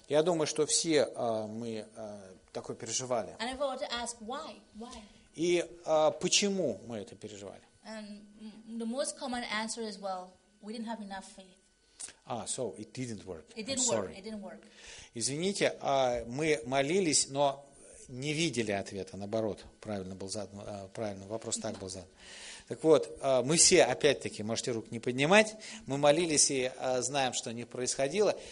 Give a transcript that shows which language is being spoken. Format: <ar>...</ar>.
<ru>Я думаю, что все мы такое переживали.</ru> <en>And if I were to ask why? Why?</en> <ru>И почему мы это переживали?</ru> <en>And the most common answer is, well, we didn't have enough faith. It didn't work.</en> <ru>Извините, мы молились, но не видели ответа. Наоборот, правильно был задан вопрос. Так вот, мы все, опять-таки, можете рук не поднимать, мы молились и знаем, что не происходило.</ru>